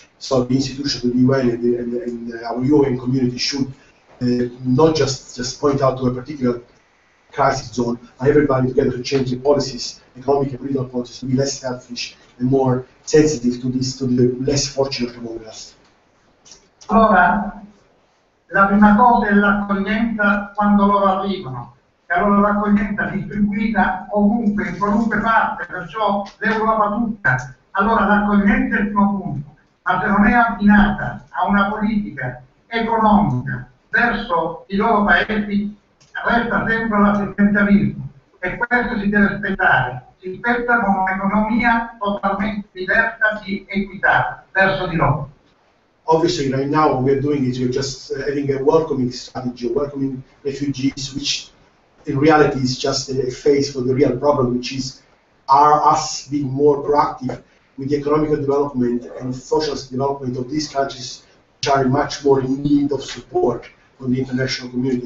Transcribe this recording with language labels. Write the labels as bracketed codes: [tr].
[en] So the institutions of the UN and our UN community should not just point out to a particular crisis zone, but everybody together to change the policies, economic and political policies, to be less selfish and more sensitive to this, to the less fortunate among us. [it] Allora, la prima cosa è l'accoglienza quando loro arrivano. E allora l'accoglienza distribuita ovunque, in qualunque parte, perciò l'Europa tutta. Allora l'accoglienza è il primo punto, ma se non è abbinata a una politica economica verso i loro paesi, resta sempre l'assistenzialismo. E questo si deve aspettare, si aspetta con un'economia totalmente diversa di equità verso di loro. [en] Obviously, right now what we're doing is we're just having a welcoming strategy, welcoming refugees, which in reality is just a face for the real problem, which is are us being more proactive with the economic development and social development of these countries which are much more in need of support from the international community.